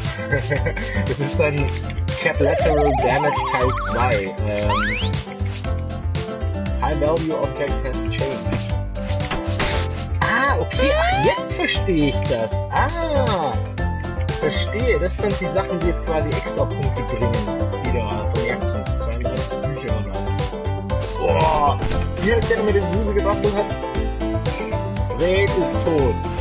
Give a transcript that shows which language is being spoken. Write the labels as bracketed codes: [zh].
[de] Das ist ein Cap Lateral Damage Teil 2. [en] High Value Object has changed. [de] Ah, okay, ach, jetzt verstehe ich das. Ah, verstehe. Das sind die Sachen, die jetzt quasi extra Punkte bringen, die da vermerkt sind. 32 Bücher und alles. Boah, wie hat der denn mit dem Suse gebastelt hat? Fred ist tot.